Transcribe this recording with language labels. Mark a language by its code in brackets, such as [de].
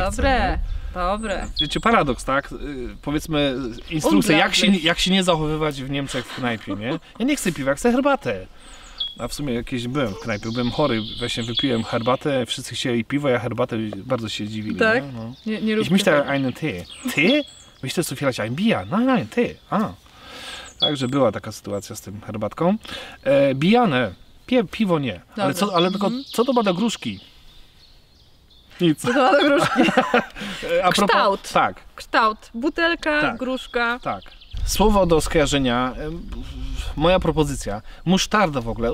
[pl] chce. Dobre. Nie? Dobre. Wiecie, paradoks, tak? Powiedzmy instrukcja, jak się nie zachowywać w Niemczech w knajpie, nie? Ja nie chcę piwa, chcę herbatę. A w sumie jakieś byłem w knajpie, byłem chory, właśnie wypiłem herbatę, wszyscy chcieli piwo, ja herbatę, bardzo się dziwili. Tak? Nie, no. Nie, nie. [de] Ich möchte einen Tee. Tee? Möchte so vielleicht ein Bier? Nein, nein, Tee. A. [pl] Także była taka sytuacja z tym herbatką. Bijane. Piwo nie. Dobra. Ale, co to ma do gruszki? Nic. Co to ma do gruszki? Kształt. Tak. Kształt. Butelka, tak. Gruszka. Tak. Słowo do skojarzenia. Moja propozycja. Musztarda w ogóle.